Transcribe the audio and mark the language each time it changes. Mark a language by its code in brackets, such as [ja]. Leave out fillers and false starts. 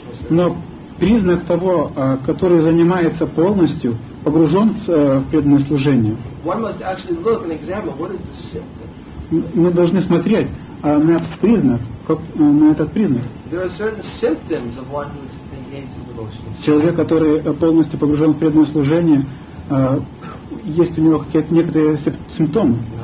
[ru] Но признак того, который занимается полностью, погружен в преданное служение. [en] One must actually look and examine what is the symptom. [ru] Мы должны смотреть на этот признак, на этот признак. [en] There are certain symptoms of one who is engaged in devotion. [ru] Человек, который полностью погружен в преданное служение, есть у него какие-то некоторые симптомы.